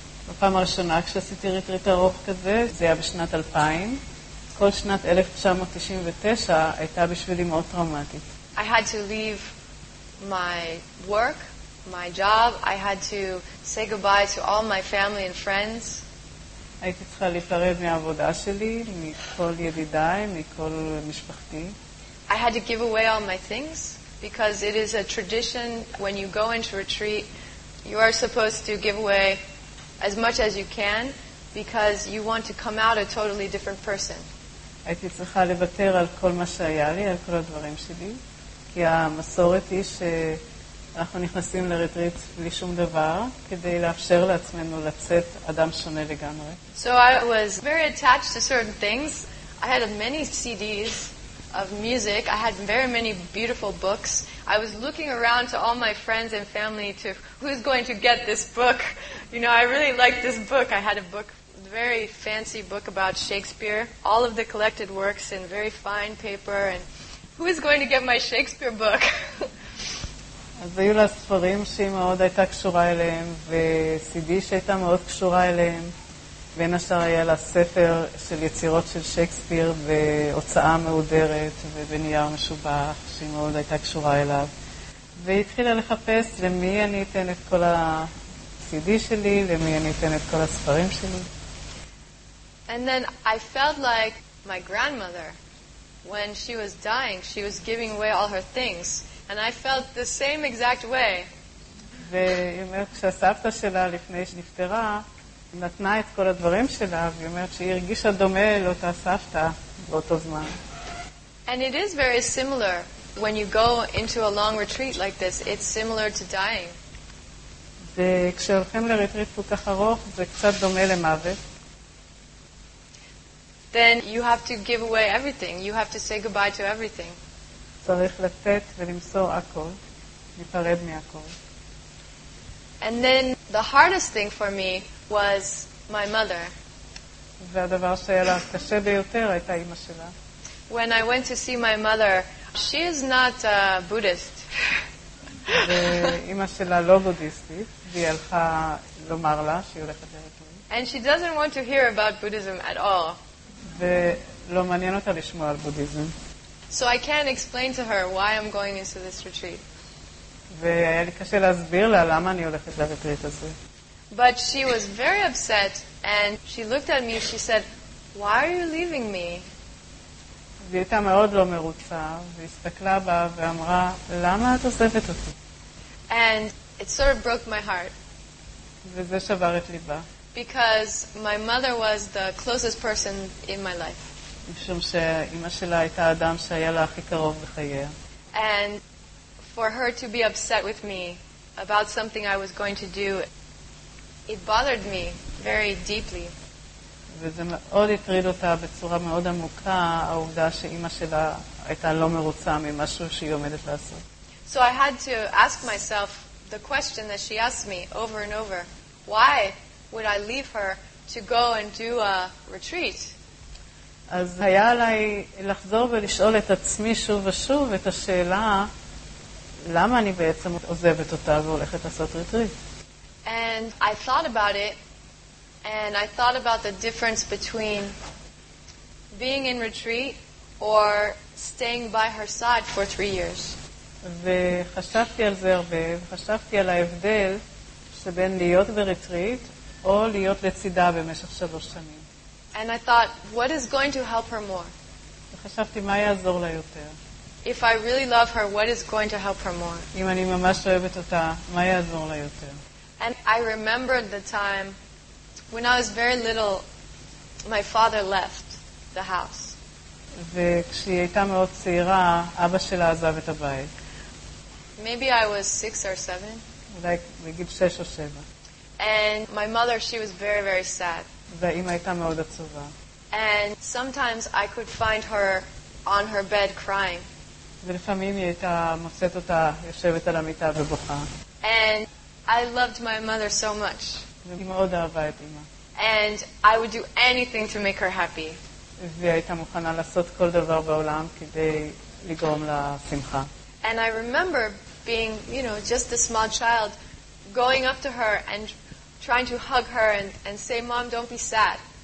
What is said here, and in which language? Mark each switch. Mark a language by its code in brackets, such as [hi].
[he] בפעם הראשונה כשעשיתי ריטריט ארוך כזה, זה היה בשנת 2000. כל שנת 1999 הייתה בשבילי מאוד טראומטית. [en] I had to leave my work, my job. I had to say goodbye to all my family and friends. [he] הייתי צריכה להיפרד מהעבודה שלי, מכל ידידיי, מכל משפחתי. [en] I had to give away all my things, because it is a tradition when you go into retreat You are supposed to give away as much as you can because you want to come out a totally different person. [he] הייתי צריכה לוותר על כל מה שהיה לי, על כל הדברים שלי, כי המסורת היא שאנחנו נכנסים לרטריט בלי שום דבר, כדי לאפשר לעצמנו לצאת אדם שונה לגמרי. [en] So I was very attached to certain things. I had many CDs of music. I had very many beautiful books. I was looking around to all my friends and family to who's going to get this book. You know, I really liked this book. I had a book, very fancy book about Shakespeare, all of the collected works in very fine paper, and who is going to get my Shakespeare book? [he] אז היו לה ספרים שהיא מאוד הייתה קשורה אליהם, וסידי שהייתה מאוד קשורה אליהם, בין השאר היה לה ספר של יצירות של שייקספיר והוצאה מעודרת ובנייר משובח שהיא מאוד הייתה קשורה אליו, והיא התחילה לחפש למי אני אתן את כל הסידי שלי, למי אני אתן את כל הספרים שלי. [en] And then I felt like my grandmother, when she was dying, she was giving away all her things. And I felt the same exact way. [he] והיא אומרת שהסבתא שלה, לפני שנפטרה, נתנה את כל הדברים שלה, והיא אומרת שהיא הרגישה דומה לאותה סבתא באותו זמן. [en] And it is very similar when you go into a long retreat like this. It's similar to dying. [he] וכשהולכים לרטריט כל כך ארוך, זה קצת דומה למוות. [en] Then you have to give away everything. You have to say goodbye to everything. [he] צריך לתת ולמסור הכל, להיפרד מהכל. [en] And then the hardest thing for me was my mother. [he] והדבר שהיה לה קשה ביותר הייתה אמא שלה. [en] When I went to see my mother, she is not a Buddhist. [he] ואמא שלה לא בודיסטית, והיא הלכה לומר לה שהיא הולכת לרפואים. [en] And she doesn't want to hear about Buddhism at all. [he] ולא מעניין אותה לשמוע על בודיזם. [en] So I can't explain to her why I'm going into this retreat. [he] והיה לי קשה להסביר לה למה אני הולכת לרטריט הזה. [en] But she was very upset and she looked at me and she said, "Why are you leaving me?" [he] והיא הייתה מאוד לא מרוצה והסתכלה בה ואמרה, "למה את עוזבת אותי?" [en] And it sort of broke my heart. [he] וזה שבר את ליבה. [en] Because my mother was the closest person in my life. [he] משום שאמא שלה הייתה אדם שהיה לה הכי קרוב בחייה. [en] And for her to be upset with me about something I was going to do, it bothered me very deeply. [he] וזה מאוד הטריד אותה בצורה מאוד עמוקה, העובדה שאמא שלה הייתה לא מרוצה ממשהו שהיא עומדת לעשות. [en] So I had to ask myself the question that she asked me over and over. Why? Would I leave her to go and do a retreat? [he] אז היה עליי לחזור ולשאול את עצמי שוב ושוב את השאלה, למה אני בעצם עוזבת אותה והולכת לעשות רטריט? [en] And I thought about it, and I thought about the difference between being in retreat or staying by her side for 3 years. [he] וחשבתי על זה הרבה, וחשבתי על ההבדל שבין להיות ברטריט או להיות לצידה במשך 3 שנים. [en] And I thought, what is going to help her more? [he] וחשבתי, מה יעזור לה יותר? [en] If I really love her, what is going to help her more? [he] אם אני ממש אוהבת אותה, מה יעזור לה יותר? [en] And I remembered the time when I was very little, my father left the house. [he] וכשהיא הייתה מאוד צעירה, אבא שלה עזב את הבית. [en] Maybe I was 6 or 7. [he] אולי בגיל 6 או 7. [en] And my mother, she was very, very sad. [he] והאמא הייתה מאוד עצובה. [en] And sometimes I could find her on her bed crying. [he] ולפעמים היא הייתה מוצאת אותה יושבת על המיטה ובוכה. [en] And I loved my mother so much. [he] והיא מאוד אהבה את אמא. [en] And I would do anything to make her happy. [he] והיא הייתה מוכנה לעשות כל דבר בעולם כדי לגרום לה שמחה. [en] And I remember being, you know, just a small child, going up to her and trying to hug her and say, "Mom, don't be sad."